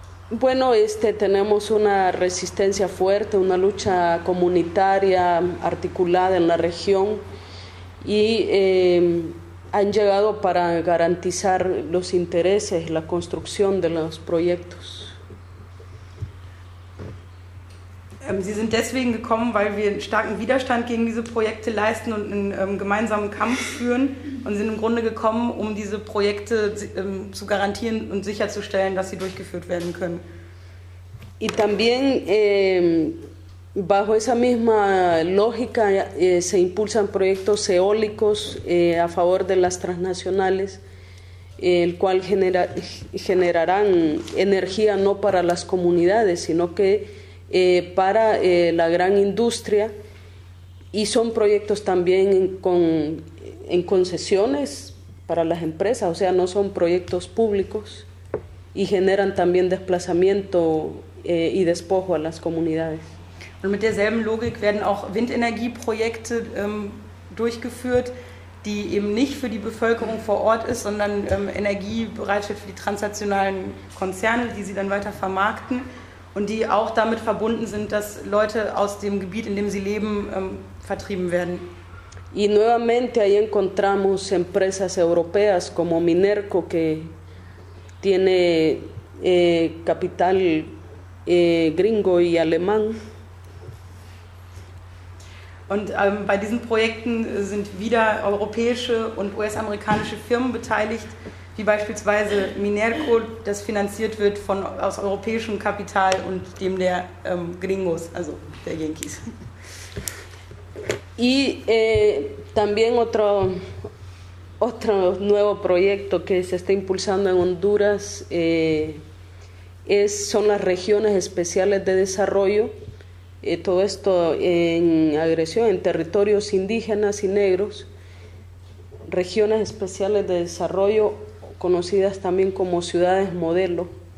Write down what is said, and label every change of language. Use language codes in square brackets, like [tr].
[es] bueno, tenemos una resistencia fuerte, una lucha comunitaria articulada en la región y han llegado para garantizar los intereses, la construcción de los proyectos. [de] Sie sind deswegen gekommen, weil wir einen starken Widerstand gegen diese Projekte leisten und einen gemeinsamen Kampf führen und sind im Grunde gekommen, um diese Projekte zu garantieren und sicherzustellen, dass sie durchgeführt werden können. [es] Y también bajo esa misma lógica se impulsan proyectos eólicos a favor de las transnacionales, el cual generarán energía no para las comunidades, sino que para la gran industria y son proyectos también en concesiones para las empresas, o sea, no son proyectos públicos y generan también desplazamiento y despojo a las comunidades. [de] Und mit derselben Logik werden auch Windenergieprojekte durchgeführt, die eben nicht für die Bevölkerung vor Ort ist, sondern Energie bereitstellt für die transnationalen Konzerne, die sie dann weiter vermarkten. Und die auch damit verbunden sind, dass Leute aus dem Gebiet, in dem sie leben, vertrieben werden. [es] Y nuevamente ahí encontramos empresas europeas como Minerco, que tiene capital gringo y alemán. [de] Und bei diesen Projekten sind wieder europäische und US-amerikanische Firmen beteiligt, wie beispielsweise Minerco, das finanziert wird aus europäischem Kapital und dem der Gringos, also der Yankees. [es] Y también otro nuevo proyecto que se está impulsando en Honduras son las regiones especiales de desarrollo, todo esto en agresión en territorios indígenas y negros, regiones especiales de desarrollo conocidas también como ciudades modelo.